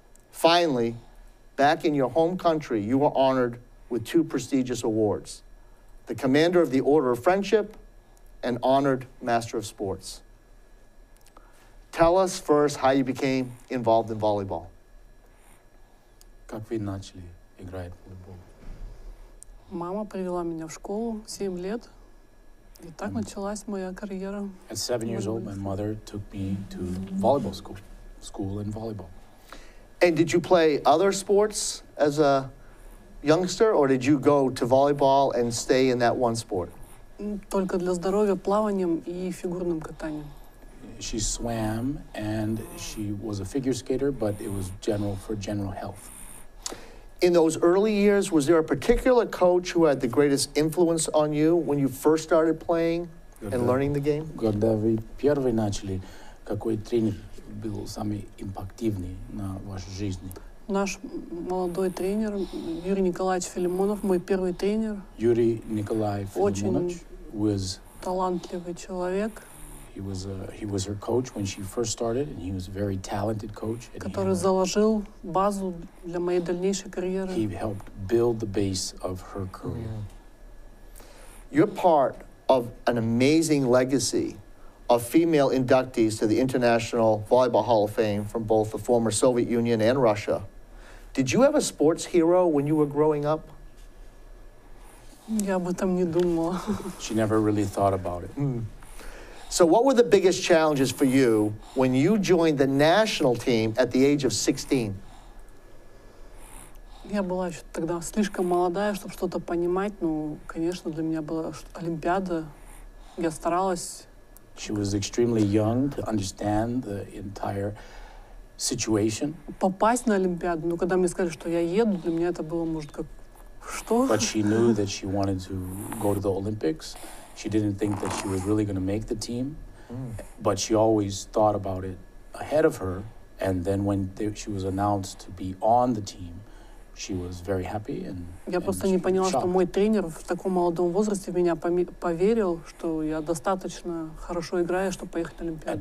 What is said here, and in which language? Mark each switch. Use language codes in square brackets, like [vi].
[en] Finally, back in your home country, you were honored with two prestigious awards, the Commander of the Order of Friendship and Honored Master of Sports. Tell us first how you became involved in volleyball. [ru] Как вы начали играть в волейбол? Мама привела меня в школу 7 лет, и так началась моя карьера. [en] At 7 years old, my mother took me to volleyball school and volleyball. And did you play other sports as a youngster, or did you go to volleyball and stay in that one sport? [ru] Только для здоровья плаванием и фигурным катанием. [en] She swam and she was a figure skater, but it was general for general health. In those early years, was there a particular coach who had the greatest influence on you when you first started playing and learning the game? [ru] Когда вы первый начали, какой тренер был самый импактивный на вашей жизни? Наш молодой тренер Юрий Николаевич Филимонов, мой первый тренер. [en] Юрий Николаевич Филимонович was [ru] талантливый человек. [en] He was her coach when she first started, and he was a very talented coach. [ru] Который заложил базу для моей дальнейшей карьеры. [en] He helped build the base of her career. You're part of an amazing legacy of female inductees to the International Volleyball Hall of Fame from both the former Soviet Union and Russia. Did you have a sports hero when you were growing up? [ru] Я об этом не думала. [en] She never really thought about it. Mm. So what were the biggest challenges for you when you joined the national team at the age of 16? [ru] Я была тогда слишком молодая, чтобы что-то понимать, но, конечно, для меня была Олимпиада. Я старалась. [en] She was extremely young to understand the entire situation. [ru] Попасть на Олимпиаду, но когда мне сказали, что я еду, для меня это было, может, как что? [en] But she knew that she wanted to go to the Olympics. She didn't think that she was really going to make the team. Mm. But she always thought about it ahead of her. And then when she was announced to be on the team, she was very happy and shocked. [ru] Я просто не поняла, что мой тренер в таком молодом возрасте в меня поверил, что я достаточно хорошо играю, чтобы поехать на Олимпиаду.